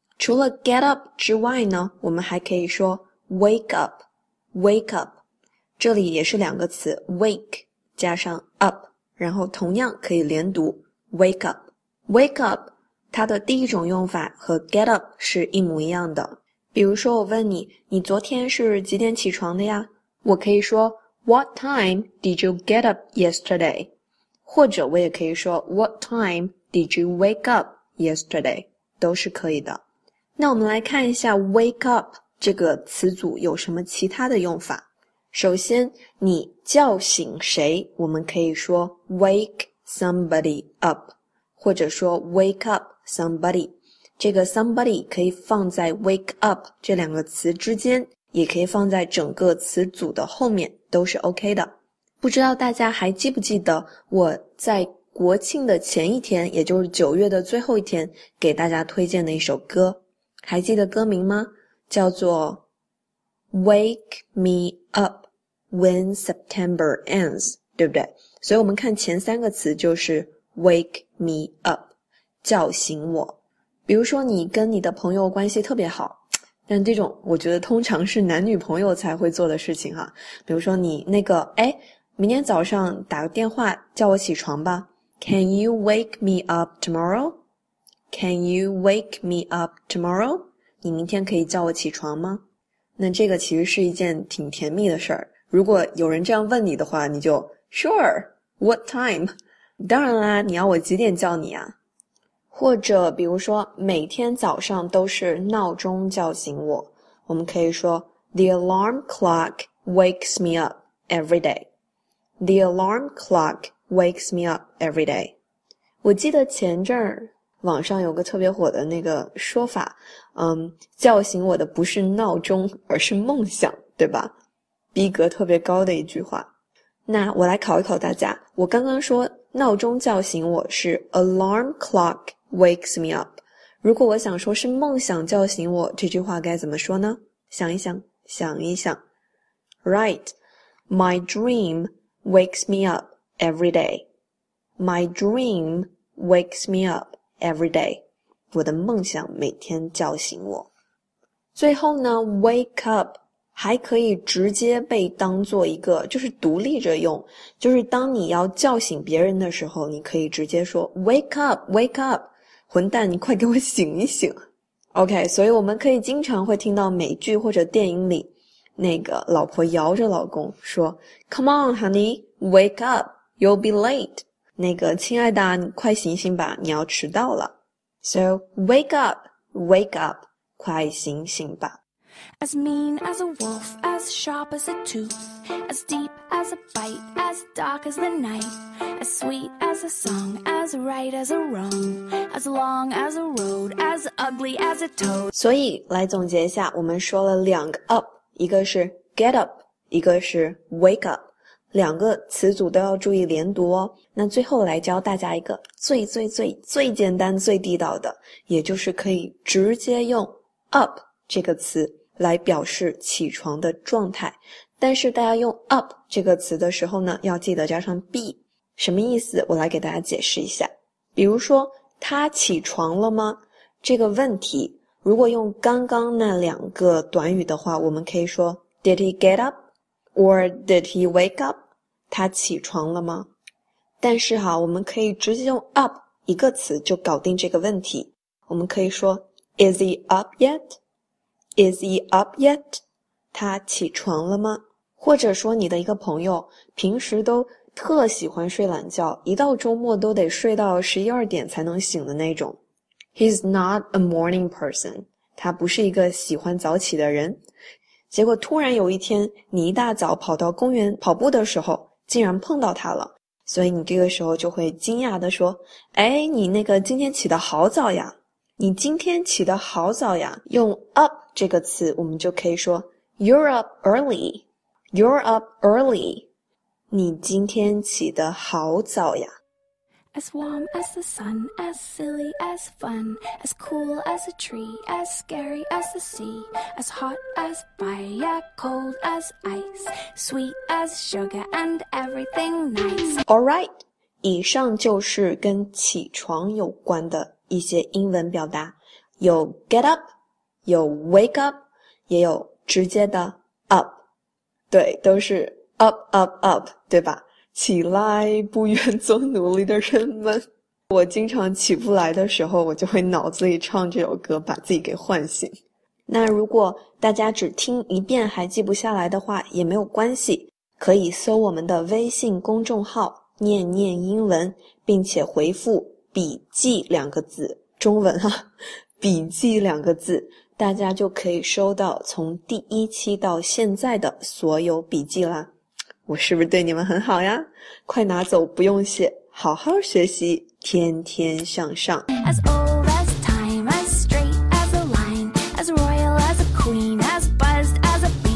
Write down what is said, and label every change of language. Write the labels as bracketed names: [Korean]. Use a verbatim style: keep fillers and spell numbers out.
[Chinese] 除了 get up 之外呢，我们还可以说 wake up， wake up， 这里也是两个词 wake 加上 up， 然后同样可以连读 wake up。 wake up 它的第一种用法和 get up 是一模一样的，比如说我问你，你昨天是几点起床的呀？我可以说 [English] What time did you get up yesterday？ [Chinese] 或者我也可以说 [English] What time did you wake up yesterday？ [Chinese] 都是可以的。那我们来看一下 wake up 这个词组有什么其他的用法。首先，你叫醒谁，我们可以说 wake somebody up， 或者说 wake up somebody。这个 somebody 可以放在 wake up 这两个词之间，也可以放在整个词组的后面，都是 OK 的。不知道大家还记不记得我在国庆的前一天，也就是九月的最后一天，给大家推荐的一首歌，还记得歌名吗？叫做 Wake Me Up When September Ends， 对不对？所以我们看前三个词就是 Wake Me Up， 叫醒我。比如说你跟你的朋友关系特别好，但这种我觉得通常是男女朋友才会做的事情啊。比如说你那个，哎，明天早上打个电话叫我起床吧。 [English] Can you wake me up tomorrow? Can you wake me up tomorrow? [Chinese] 你明天可以叫我起床吗？那这个其实是一件挺甜蜜的事儿。如果有人这样问你的话，你就 [English] Sure, what time? [Chinese] 当然啦，你要我几点叫你啊？或者比如说每天早上都是闹钟叫醒我，我们可以说 [English] The alarm clock wakes me up every day. The alarm clock wakes me up every day. [Chinese] 我记得前阵儿网上有个特别火的那个说法，嗯，叫醒我的不是闹钟，而是梦想，对吧？逼格特别高的一句话。那我来考一考大家，我刚刚说闹钟叫醒我是 [English] alarm clock wakes me up， [Chinese] 如果我想说是梦想叫醒我，这句话该怎么说呢？想一想，想一想。 [English] Right, my dream wakes me up every day. My dream wakes me up every day. [Chinese] 我的梦想每天叫醒我。最后呢 ，wake up 还可以直接被当做一个，就是独立着用，就是当你要叫醒别人的时候，你可以直接说 wake up, wake up。混蛋，你快给我醒一醒 OK， 所以我们可以经常会听到美剧或者电影里那个老婆摇着老公说 [English] Come on honey, wake up, you'll be late， [Chinese] 那个亲爱的你快醒醒吧，你要迟到了。 [English] So wake up, wake up， [Chinese] 快醒醒吧。 [English] As mean as a wolf, as sharp as a tooth, as deep as a bite, as dark as the night, as sweet as a song, as right as a wrong, as long as a road, as ugly as a toad. [Chinese] 所以来总结一下，我们说了两个 up， 一个是 get up， 一个是 wake up， 两个词组都要注意连读哦。那最后来教大家一个最最最最简单最地道的，也就是可以直接用 up 这个词来表示起床的状态，但是大家用 up 这个词的时候呢，要记得加上 be。什么意思？我来给大家解释一下。比如说他起床了吗？这个问题如果用刚刚那两个短语的话，我们可以说 [English] Did he get up? Or did he wake up? [Chinese] 他起床了吗？但是哈，我们可以直接用 up 一个词就搞定这个问题。我们可以说 [English] Is he up yet? Is he up yet? [Chinese] 他起床了吗？或者说你的一个朋友平时都特喜欢睡懒觉，一到周末都得睡到十一二点才能醒的那种。 [English] He's not a morning person. [Chinese] 他不是一个喜欢早起的人。结果突然有一天，你一大早跑到公园跑步的时候，竟然碰到他了。所以你这个时候就会惊讶地说，哎，你那个今天起得好早呀。你今天起得好早呀，用 up 这个词我们就可以说 [English] You're up early, You're up early， [Chinese] 你今天起得好早呀。 [English] As warm as the sun, as silly as fun, as cool as a tree, as scary as the sea, as hot as fire, cold as ice, sweet as sugar and everything nice. [Chinese] Alright, 以上就是跟起床有关的一些英文表达，有 get up， 有 wake up， 也有直接的 up， 对，都是 up up up， 对吧？起来，不愿做奴隶的人们。我经常起不来的时候，我就会脑子里唱这首歌，把自己给唤醒。那如果大家只听一遍还记不下来的话，也没有关系，可以搜我们的微信公众号“念念英文”，并且回复笔记两个字，中文啊，笔记两个字，大家就可以收到从第一期到现在的所有笔记啦。我是不是对你们很好呀？快拿走，不用谢，好好学习，天天向上。 [English] As old as time, as straight as a line, as royal as a queen, as buzzed as a